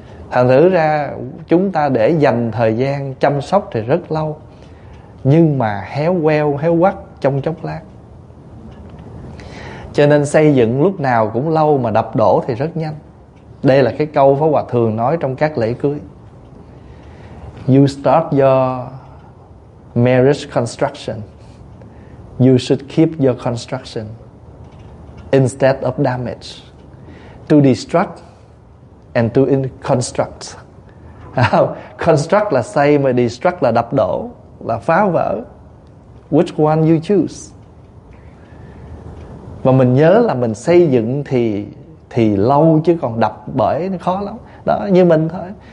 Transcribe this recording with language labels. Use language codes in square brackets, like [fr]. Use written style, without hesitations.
[vi] Thành thử ra chúng ta để dành thời gian chăm sóc thì rất lâu, nhưng mà héo queo, héo quắt trong chốc lát. Cho nên xây dựng lúc nào cũng lâu, mà đập đổ thì rất nhanh. Đây là cái câu Pháp Hòa thường nói trong các lễ cưới. [en] You start your marriage construction, you should keep your construction instead of damage. To destruct and to construct. [vi] Construct là xây, mà destruct là đập đổ, là phá vỡ. [en] Which one you choose? [vi] Và mình nhớ là mình xây dựng thì lâu, chứ còn đập bể nó khó lắm. Đó, như mình thôi.